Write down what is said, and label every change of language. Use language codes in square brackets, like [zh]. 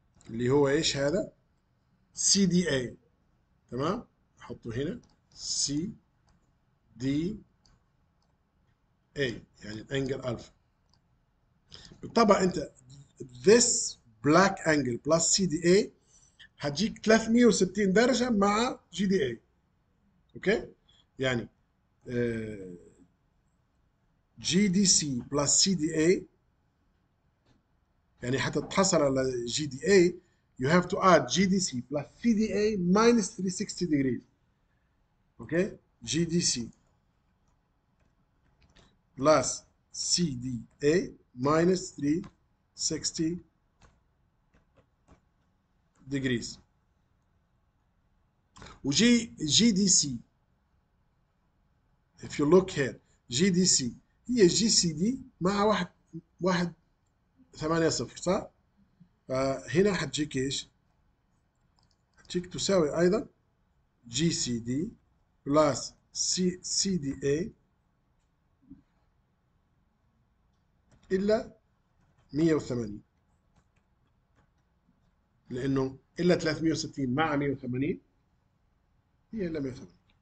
[ar] اللي هو ايش هذا؟ سي دي اي، تمام؟ احطه هنا سي دي اي، يعني الانجل الفا. بالطبع انت [en] this black angle [ar] plus CDA هتجيك 360 درجة مع GDA. اوكي؟ يعني [en] GDC plus CDA، [ar] يعني حتى تحصل على [en] GDA you have to add GDC plus CDA minus 360 degrees. [ar] اوكي؟ [en] GDC plus CDA minus 360 degrees. [ar] وجي جي دي سي، [en] if you look here [ar] جي دي سي هي جي سي دي مع واحد واحد ثمانية صفر، صح؟ فهنا حتجيك ايش؟ حتجيك تساوي ايضا جي سي دي بلس سي دي اي الا 180، لانه الا 360 مع 180 هي الا 180.